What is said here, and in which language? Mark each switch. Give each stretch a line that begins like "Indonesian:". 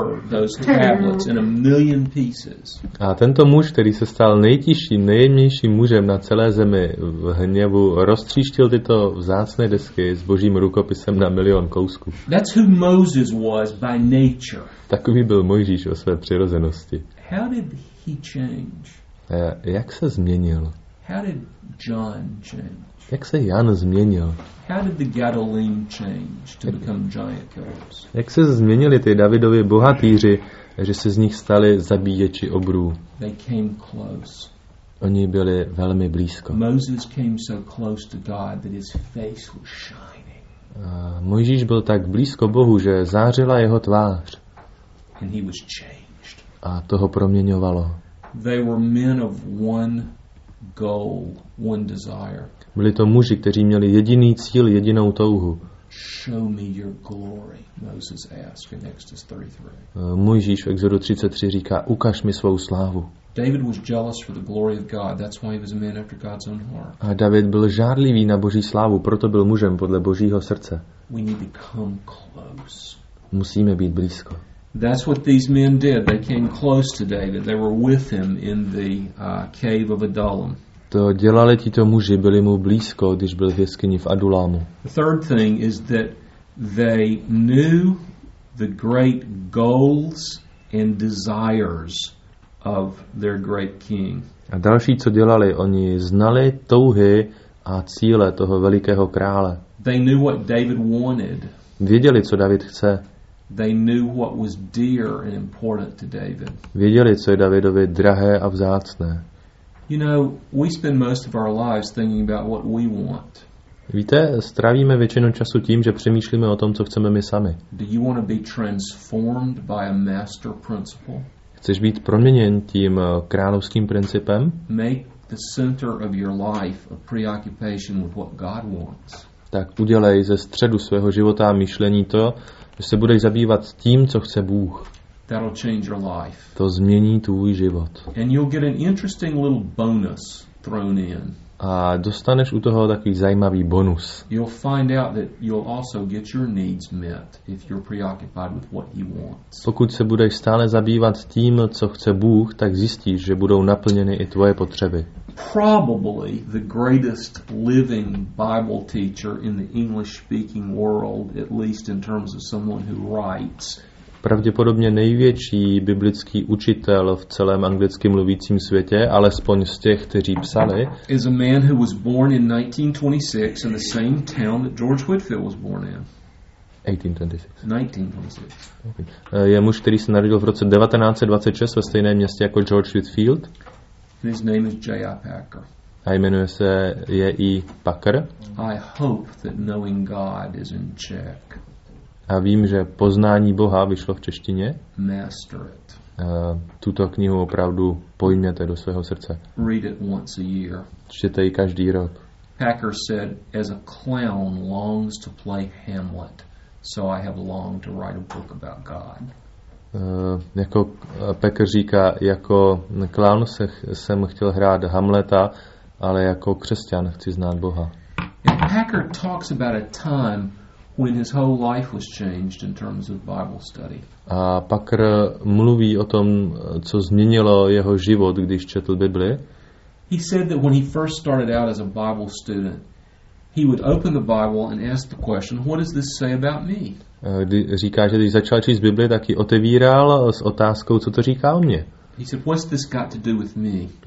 English: those tablets in a million pieces.
Czech: A tento muž, který se stal nejtišším, nejjemnějším mužem na celé zemi v hněvu, roztříštil tyto vzácné desky s Božím rukopisem na milion kousků.
English: That's who Moses was by nature.
Czech: Takový byl Mojžíš o své přirozenosti.
English: How did he change?
Czech: Jak se změnil?
English: How did John change?
Czech: Jak se Jan změnil?
English: How did the Gadolim change to become giant killers?
Czech: Jak se změnili ty Davidovi bohatíři, že se z nich stali zabíječi obrů?
English: They came close.
Czech: Oni byli velmi blízko.
English: Moses came so close to God that his face was shining.
Czech: Mojžíš byl tak blízko Bohu, že zářila jeho tvář.
English: And he was changed.
Czech: A to ho proměňovalo.
English: They were men of one goal, one desire.
Czech: Byli to muži, kteří měli jediný cíl, jedinou touhu.
English: Show me your glory, Moses asked in Exodus 33.
Czech: Mojžíš v Exodu 33 říká: ukaž mi svou slávu.
English: David was jealous for the glory of God. That's why he was a man after God's own heart.
Czech: A David byl žárlivý na Boží slávu, proto byl mužem podle Božího srdce.
English: We need to come close.
Czech: Musíme být blízko.
English: That's what these men did. They came close to David. They were with him in the cave of Adullam.
Czech: To dělali tito muži, byli mu blízko, když byl v jeskyni v Adulamu.
English: The third thing is that they knew the great goals and desires of their great king.
Czech: A další, co dělali, oni znali touhy a cíle toho velikého krále.
English: They knew what David wanted.
Czech: Věděli, co David chce.
English: They knew what was dear and important to David.
Czech: Věděli, co je Davidovi drahé a vzácné.
English: You know, we spend most of our lives thinking about what we want.
Czech: Víte, strávíme většinu času tím, že přemýšlíme o tom, co chceme my sami.
English: Do you want to be transformed by a master principle?
Czech: Chceš být proměněn tím královským principem?
English: Make the center of your life a preoccupation with what God wants.
Czech: Tak udělej ze středu svého života myšlení to, že se budeš zabývat tím, co chce Bůh.
English: That'll change your life.
Czech: To změní tvůj život.
English: And you'll get an interesting little bonus thrown in.
Czech: A dostaneš u toho takový zajímavý bonus.
English: You'll find out that you'll also get your needs met if you're preoccupied with what he wants.
Czech: Pokud se budeš stále zabývat tím, co chce Bůh, tak zjistíš, že budou naplněny i tvoje potřeby.
English: Probably the greatest living Bible teacher in the English-speaking world, at least in terms of someone who writes.
Czech: Pravděpodobně největší biblický učitel v celém anglicky mluvícím světě, alespoň z těch, kteří psali,
English: is a man who was born in 1926 in the same town that George Whitefield was born in. 1926.
Czech: Je muž, který se narodil v roce 1926 ve stejném městě jako George Whitefield.
English: His name is J.I. Packer.
Czech: A jmenuje se J.I. Packer.
English: I hope that knowing God is in check.
Czech: A vím, že poznání Boha vyšlo v češtině.
English: Master it.
Czech: Tuto knihu opravdu pojměte do svého srdce.
English: Read it once a year.
Czech: Čtěte ji každý rok.
English: Packer said, as a clown longs to play Hamlet, so I have longed to write a book about God.
Czech: Jako Packer říká, jako clown jsem chtěl hrát Hamleta, ale jako křesťan chci znát Boha.
English: And Packer talks about a time when his whole life was changed in terms of Bible study.
Czech: A Packer mluví o tom, co změnilo jeho život, když četl Bibli.
English: He said that when he first started out as a Bible student, he would open the Bible and ask the question, what does this say about me?
Czech: Říká, že když začal číst Bibli, tak ji otevíral s otázkou, co to říká o mně.
English: He said, what's this got to do with me?